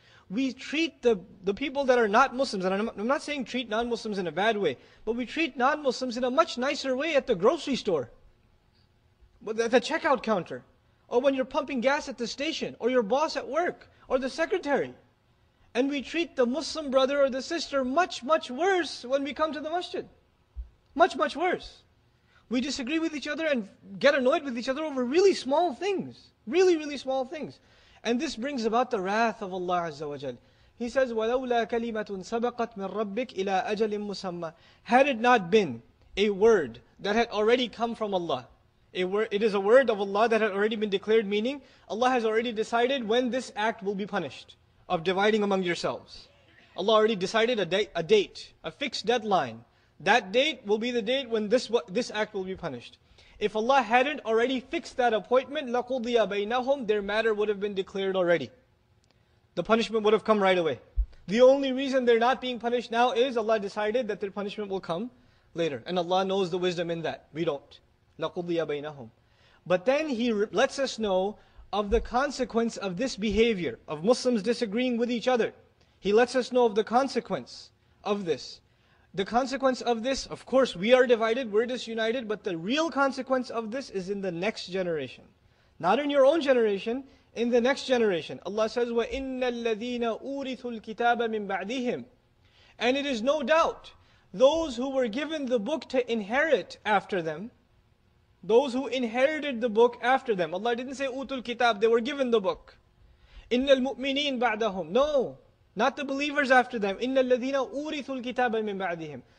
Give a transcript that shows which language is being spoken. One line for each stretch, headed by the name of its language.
English: We treat the people that are not Muslims, and I'm not saying treat non-Muslims in a bad way, but we treat non-Muslims in a much nicer way at the grocery store, at the checkout counter, or when you're pumping gas at the station, or your boss at work, or the secretary. And we treat the Muslim brother or the sister much, much worse when we come to the masjid. Much, much worse. We disagree with each other and get annoyed with each other over really small things. Really, really small things. And this brings about the wrath of Allah Azza wa Jal. He says,
Arabic: وَلَوْلَا كَلِمَةٌ سَبَقَتْ مِنْ رَبِّكِ إِلَىٰ أَجَلٍ مُسَمَّى.
English: Had it not been a word that had already come from Allah. It is a word of Allah that had already been declared, meaning Allah has already decided when this act will be punished, of dividing among yourselves. Allah already decided a date, a fixed deadline. That date will be the date when this act will be punished. If Allah hadn't already fixed that appointment,
Arabic: لَقُضِيَ بَيْنَهُمْ,
English: their matter would have been declared already. the punishment would have come right away. The only reason they're not being punished now is Allah decided that their punishment will come later. And Allah knows the wisdom in that. We don't.
Arabic: لَقُضِيَ بَيْنَهُمْ.
English: But then He lets us know of the consequence of this behavior, of Muslims disagreeing with each other. He lets us know of the consequence of this. The consequence of this, of course, we are divided, we're disunited, but the real consequence of this is in the next generation. Not in your own generation, in the next generation. Allah says,
Arabic: وَإِنَّ الَّذِينَ أُورِثُوا الْكِتَابَ مِنْ بَعْدِهِمْ.
English: And it is no doubt, those who were given the book to inherit after them, those who inherited the book after them. Allah didn't say
Arabic: utul kitab,
English: they were given the book.
Arabic: Innal mu'mineen ba'dahum.
English: No, not the believers after them.
Arabic: Innal ladheena urithul kitaba min ba'dihim.